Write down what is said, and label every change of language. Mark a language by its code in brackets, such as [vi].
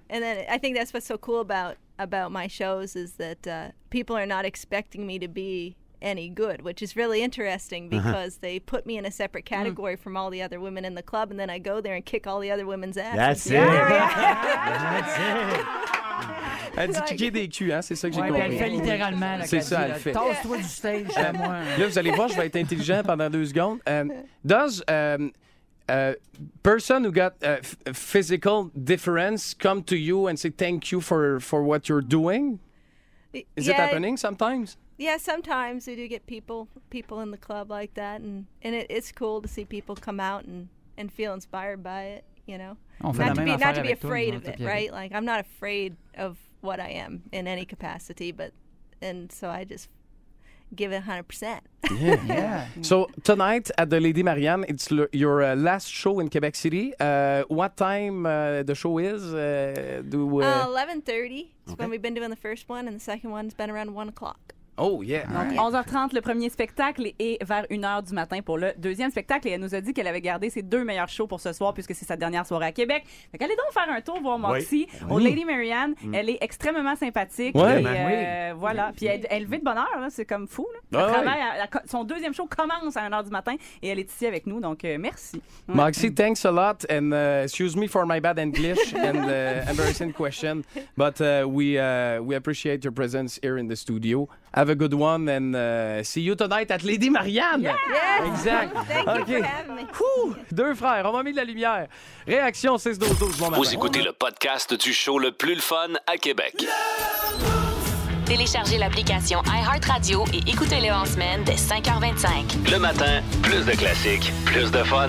[en] And then I think that's what's so cool about my shows is that people are not expecting me to be any good, which is really interesting because uh-huh. they put me in a separate category from all the other women in the club, and then I go there and kick all the other women's ass. That's it. That's it. [fr] Elle dit kicker des culs, hein, c'est ça que j'ai compris. Elle fait littéralement. C'est ça, elle fait. Tasse-toi du stage, j'aime moi. Là, vous allez voir, je vais être intelligent pendant deux secondes. [en] Does a person who got a physical difference come to you and say thank you for what you're doing? Is it happening sometimes? Yeah, sometimes we do get people in the club like that. And it's cool to see people come out and feel inspired by it, you know? Not to be afraid of it, right? Like, I'm not afraid of what I am in any capacity, but I just give it 100%. Yeah. So, tonight at the Lady Marianne, it's your last show in Quebec City. What time the show is? 11:30 is when we've been doing the first one, and the second one's been around 1 o'clock. Oh, yeah. [fr] Donc, 11h30, le premier spectacle, et vers 1h du matin pour le deuxième spectacle. Et elle nous a dit qu'elle avait gardé ses deux meilleurs shows pour ce soir, puisque c'est sa dernière soirée à Québec. Fait qu'allez donc faire un tour voir Moxie au Lady Marianne. Mm. Elle est extrêmement sympathique. Ouais, voilà. Puis elle vit de bonne heure, là. C'est comme fou, là. Ah, son deuxième show commence à 1h du matin, et elle est ici avec nous. Donc, merci. [en] Moxie, thanks a lot. And excuse me for my bad English and embarrassing question. But we appreciate your presence here in the studio. Have a good one and see you tonight at Lady Marianne. Yeah. Exact. Thank you for having me. [fr] Ouh, deux frères, on m'a mis de la lumière. Réaction 6-12-12, bon matin. Vous écoutez le podcast du show le plus le fun à Québec. Téléchargez l'application iHeartRadio et écoutez-le en semaine dès 5h25. Le matin, plus de classiques, plus de fun.